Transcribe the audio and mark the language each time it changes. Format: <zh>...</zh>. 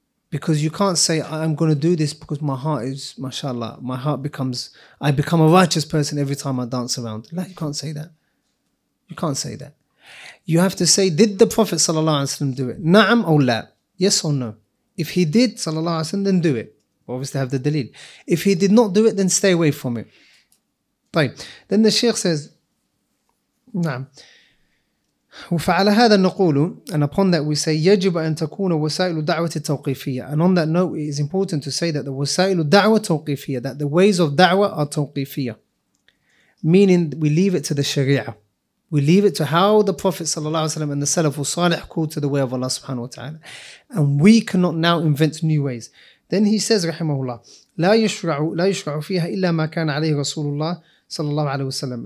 <en>Because you can't say, I'm going to do this because my heart is, mashallah, my heart becomes, I become a righteous person every time I dance around. Like, you can't say that. You can't say that. You have to say, did the Prophet sallallahu alaihi wasallam do it? Na'am or la? Yes or no? If he did, sallallahu alaihi wasallam, then do it. Obviously have the dalil. If he did not do it, then stay away from it.</en> <ar>طيب.</ar> <en>Then the Shaykh says, na'am.</en> <ar>وفعل هذا نقول,</ar> <en>and upon that we say,</en> <ar>يجب أن تكون وسائل الدعوة التوقيفية.</ar> <en>And on that note, it is important to say that the</en> <ar>وسائل الدعوة التوقيفية,</ar> <en>that the ways of دعوة are توقيفية. Meaning, we leave it to the Sharia. We leave it to how the Prophet</en> <ar>صلى الله عليه وسلم</ar> <en>and the Salaf was صالح called to the way of Allah subhanahu wa ta'ala. And we cannot now invent new ways. Then he says,</en> <ar>رحمه الله, لا يشرع فيها إلا ما كان عليه رسول الله صلى الله عليه وسلم.</ar>